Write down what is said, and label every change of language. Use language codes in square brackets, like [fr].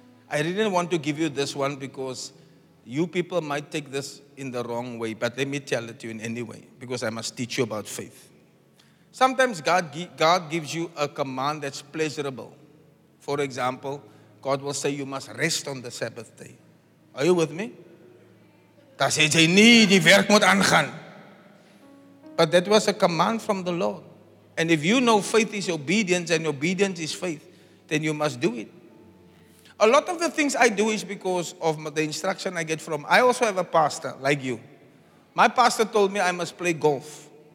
[en] I didn't want to give you this one because you people might take this in the wrong way, but let me tell it to you in any way, because I must teach you about faith. Sometimes God gives you a command that's pleasurable. For example, God will say you must rest on the Sabbath day. Are you with me? [af] Dat sê jy nie, die werk moet aangaan. [en] But that was a command from the Lord. And if you know faith is obedience and obedience is faith, then you must do it. A lot of the things I do is because of the instruction I get from. I also have a pastor like you. My pastor told me I must play golf.